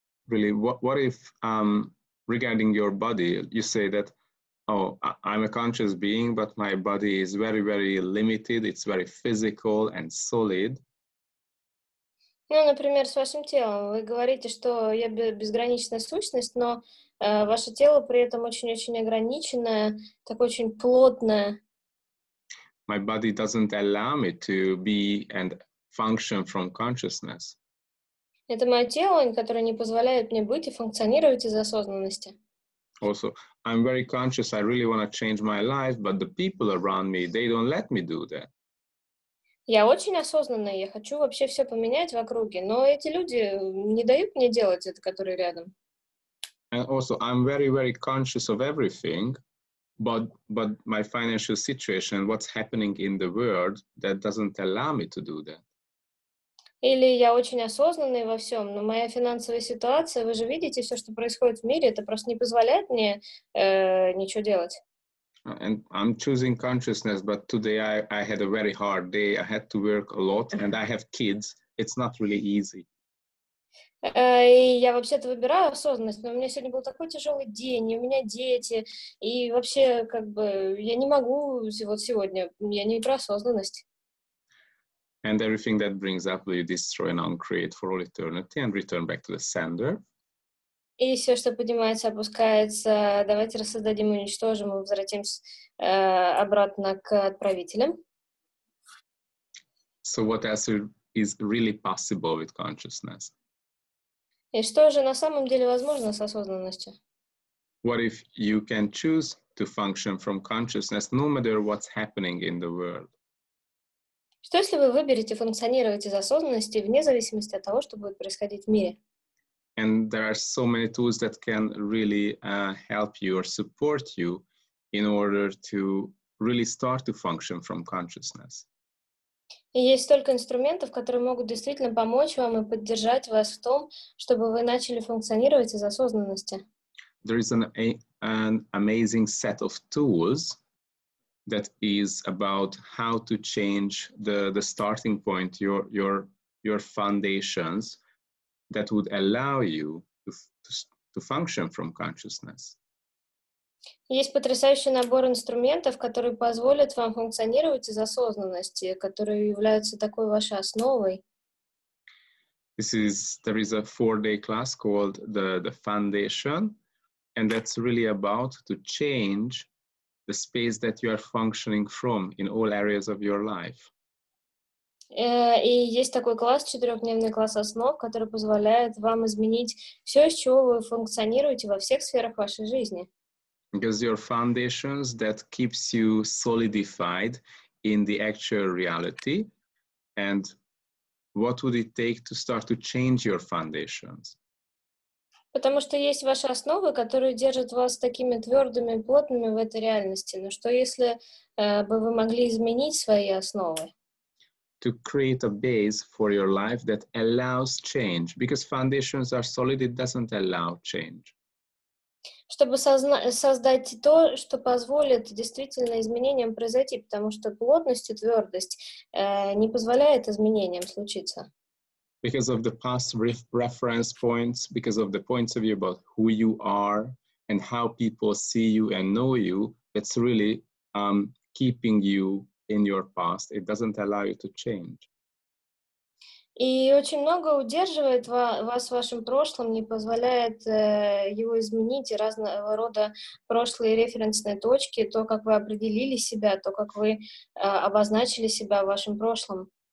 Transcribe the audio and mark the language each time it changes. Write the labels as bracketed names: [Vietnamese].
[English] Really, what if regarding your body, you say that, oh, I'm a conscious being, but my body is very, very limited. It's very physical and solid. [Russian] Ну, например, с вашим телом. Вы говорите, что я безграничная сущность, но ваше тело при этом очень-очень ограниченное, такое очень плотное. [English] My body doesn't allow me to be and function from consciousness. [Russian] Это мое тело, которое не позволяет мне быть и функционировать из осознанности. [English] Also, I'm very conscious, I really want to change my life, but the people around me, they don't let me do that. [Russian] Я очень осознанная, я хочу вообще все поменять в округе, но эти люди не дают мне делать это, которые рядом. [English] And also, I'm very, very conscious of everything, but my financial situation, what's happening in the world, that doesn't allow me to do that. [Russian] Или я очень осознанный во всем, но моя финансовая ситуация, вы же видите, все, что происходит в мире, это просто не позволяет мне ничего делать. [English] And I'm choosing consciousness, but today I had a very hard day. I had to work a lot, and I have kids. It's not really easy. [Russian] Я вообще-то выбираю осознанность, но у меня сегодня был такой тяжелый день, и у меня дети, и вообще, как бы, я не могу вот сегодня, я не про осознанность. [English] And everything that brings up will destroy and uncreate for all eternity and return back to the sender. [Russian] И все, что поднимается, опускается, давайте рассоздадим и уничтожим, и возвратимся обратно к отправителям. [English] So what else is really possible with consciousness? [Russian] И что же на самом деле возможно с осознанностью? [English] What if you can choose to function from consciousness no matter what's happening in the world? [Russian] Что если вы выберете функционировать из осознанности вне зависимости от того, что будет происходить в мире? [English] And there are so many tools that can really help you or support you in order to really start to function from consciousness. [Russian] Есть столько инструментов, которые могут действительно помочь вам и поддержать вас в том, чтобы вы начали функционировать из осознанности. [English] There is an amazing set of tools that is about how to change the starting point, your foundations, that would allow you to function from consciousness. [Russian] Есть потрясающий набор инструментов, которые позволят вам функционировать из осознанности, которые являются такой вашей основой. [English] There is a 4-day class called the Foundation, and that's really about to change the space that you are functioning from in all areas of your life. [Russian] И есть такой класс, четырехдневный класс основ, который позволяет вам изменить все, из чего вы функционируете во всех сферах вашей жизни. [English] Because your foundations that keeps you solidified in the actual reality, and what would it take to start to change your foundations? [Russian] Потому что есть ваши основы, которые держат вас такими твердыми и плотными в этой реальности. Но что если бы вы могли изменить свои основы? [English] To create a base for your life that allows change, because foundations are solid, it doesn't allow change. [Russian] Чтобы создать то, что позволит действительно изменениям произойти, потому что плотность и твердость не позволяет изменениям случиться. [English] Because of the past reference points, because of the points of view about who you are and how people see you and know you, that's really keeping you in your past, it doesn't allow you to change. [Russian] И очень много удерживает вас в вашем прошлом, не позволяет его изменить, и разного рода прошлые референсные точки, то, как вы определили себя, то, как вы обозначили себя в вашем прошлом.